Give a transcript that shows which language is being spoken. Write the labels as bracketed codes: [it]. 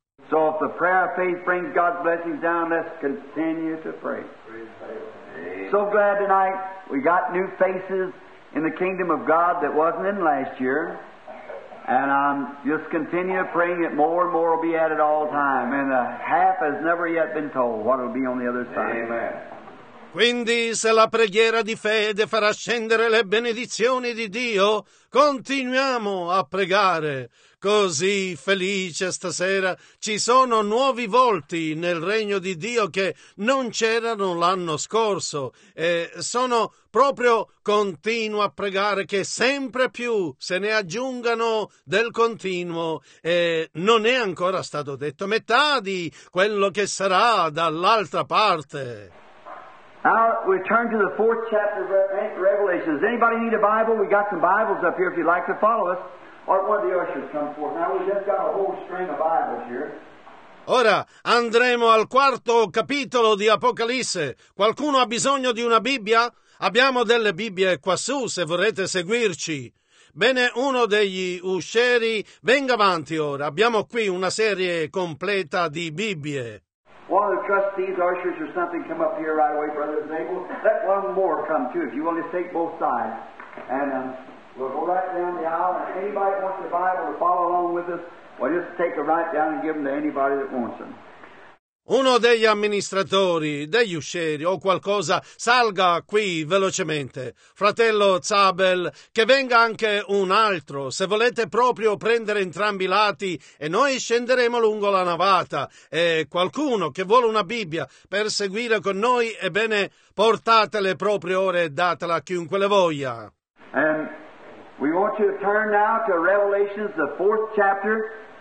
[en] So if the prayer of faith brings God's blessings down, let's continue to pray. So glad tonight we got new faces in the kingdom of God that wasn't in last year. And I'm just continuing praying that more and more will be added all the time. And a half has never yet been told what will be on the other side. Amen. [it] Quindi se la preghiera di fede farà scendere le benedizioni di Dio, continuiamo a pregare. Così felice stasera, ci sono nuovi volti nel regno di Dio che non c'erano l'anno scorso e sono proprio continuo a pregare che sempre più se ne aggiungano del continuo e non è ancora stato detto metà di quello che sarà dall'altra parte. [en] Now we turn to the fourth chapter of Revelation. Does anybody need a Bible? We got some Bibles up here if you'd like to follow us. Or one of the ushers come forth. Now we've just got a whole string of Bibles here. [it] Ora andremo al quarto capitolo di Apocalisse. Qualcuno ha bisogno di una Bibbia? Abbiamo delle Bibbie quassù se vorrete seguirci. Bene, uno degli usceri, venga avanti ora. Abbiamo qui una serie completa di Bibbie. [en] One of the trustees, ushers, or something, come up here right away, Brother Zabel. Let one more come too, if you want to take both sides. And we'll go right down the aisle. And if anybody wants the Bible to follow along with us, we'll just take them right down and give them to anybody that wants them. [it] Uno degli amministratori, degli usceri o qualcosa, salga qui velocemente. Fratello Zabel, che venga anche un altro, se volete proprio prendere entrambi i lati e noi scenderemo lungo la navata. E qualcuno che vuole una Bibbia per seguire con noi, ebbene portatele proprio ora e datela a chiunque le voglia. [en] And we want you to turn now to Revelation, the fourth chapter.